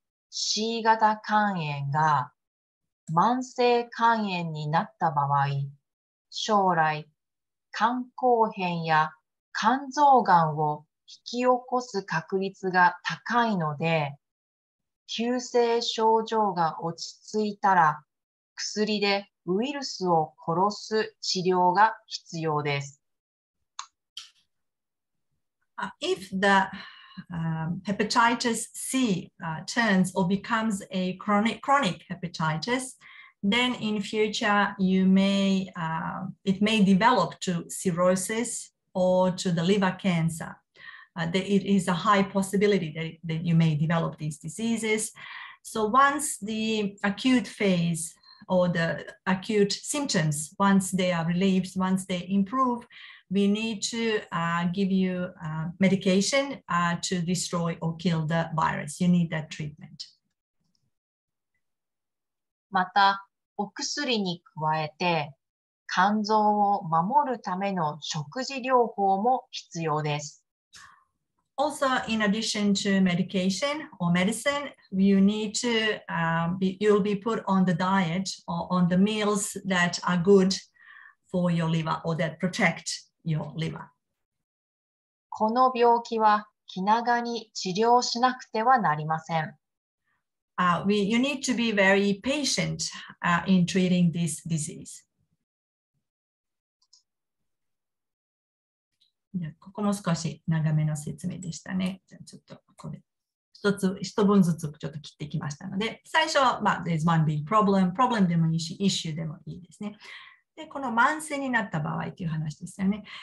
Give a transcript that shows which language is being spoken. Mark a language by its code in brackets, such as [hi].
[ja] C 型肝炎が慢性肝炎になった場合、将来肝硬変や肝臓がんを引き起こす確率が高いので、急性症状が落ち着いたら薬でウイルスを殺す治療が必要です。 [en] If the hepatitis C turns or becomes a chronic hepatitis, then in future it may develop to cirrhosis or to the liver cancer. It is a high possibility that you may develop these diseases. So once the acute phase. Or the acute symptoms, once they are relieved, once they improve, we need to give you medication to destroy or kill the virus. You need that treatment. [ja] また、お薬に加えて、肝臓を守るための食事療法も必要です。 [en] Also, in addition to medication or medicine, you need to you'll be put on the diet or on the meals that are good for your liver or that protect your liver. [ja] この病気は気長に治療しなくてはなりません。 [en] You need to be very patient in treating this disease. [ja] ここも少し長めの説明でしたね。じゃあちょっとこれ一分ずつちょっと切ってきましたので、最初は、まあ、 [en] There's one big problem [ja] でもいいし、issue でもいいですね。で、この慢性になった場合という話ですよね。